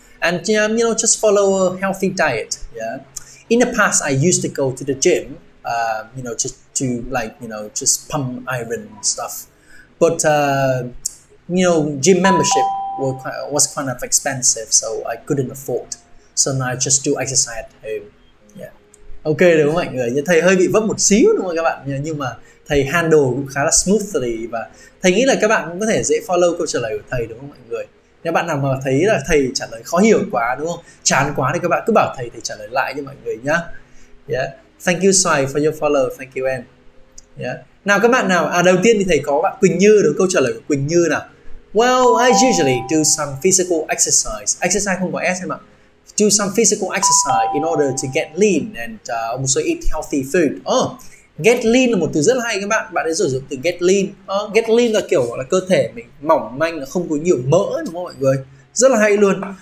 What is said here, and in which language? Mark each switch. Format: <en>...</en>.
<en>And, you know, just follow a healthy diet, yeah? In the past, I used to go to the gym, you know, just to, like, you know, just pump iron and stuff. But, you know, gym membership was kind of expensive, so I couldn't afford. So now I just do exercise at home. Yeah. Ok,</en> <vi>đúng không mọi người? Thầy hơi bị vấp một xíu đúng không các bạn? Nhưng mà thầy handle cũng khá là smoothly. Và thầy nghĩ là các bạn cũng có thể dễ follow câu trả lời của thầy đúng không mọi người? Nếu bạn nào mà thấy là thầy trả lời khó hiểu quá đúng không? Chán quá thì các bạn cứ bảo thầy, thầy trả lời lại cho mọi người nhá.</vi> <en>Yeah. Thank you Sai for your follow, thank you em. Yeah.</en> <vi>Nào các bạn nào, đầu tiên thì thầy có bạn Quỳnh Như đúng không? Câu trả lời của Quỳnh Như nào.</vi> <en>Well, I usually do some physical exercise. Exercise</en> <vi>không có S em ạ.</vi> <en>Do some physical exercise in order to get lean and also eat healthy food.</en> <vi>Get lean là một từ rất hay các bạn. Bạn ấy sử dụng từ get lean. Get lean là kiểu là cơ thể mình mỏng manh, là không có nhiều mỡ đúng không mọi người? Rất là hay luôn.</vi>